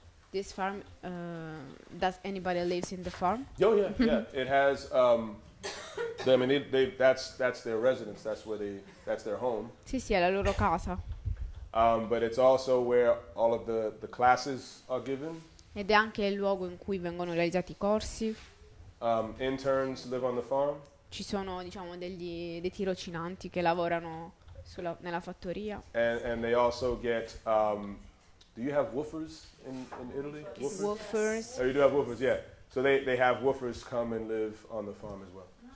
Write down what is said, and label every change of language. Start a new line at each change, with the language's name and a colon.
English: This farm, does anybody lives in the farm? Oh yeah. It has, I mean, that's their residence, that's their home.
Italian: Sì, sì, è la loro casa.
English: But it's also where all of the classes are given.
Italian: Ed è anche il luogo in cui vengono realizzati i corsi.
English: Interns live on the farm.
Italian: Ci sono, diciamo, dei tirocinanti che lavorano nella fattoria.
English: And they also get, do you have woofers in Italy? Woofers. Oh, you do have woofers, yeah. So they have woofers come and live on the farm as well.